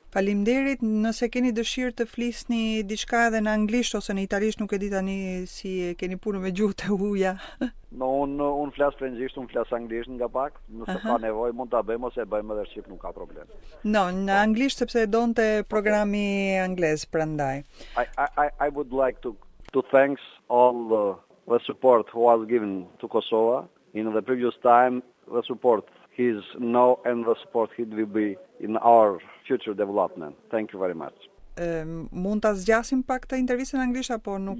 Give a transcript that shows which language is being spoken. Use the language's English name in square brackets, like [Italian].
[Albanian] Faleminderit, nëse keni dëshirë të flisni diçka edhe në anglisht ose në italisht, nuk e di tani si keni punën me gjuhët e huaja. No, un flas frëngjisht, un flas anglisht nga pak, nëse ka nevojë mund ta bëjmë ose e bëjmë edhe shqip, nuk ka problem. No, në anglisht sepse donte programi anglez, prandaj. [English] I would like to thanks all the support who has given to Kosovo in the previous time, the support he's now and the support he will be in our future development. Thank you very much. [Albanian] Mund ta zgjasim pak të intervistën anglisht apo nuk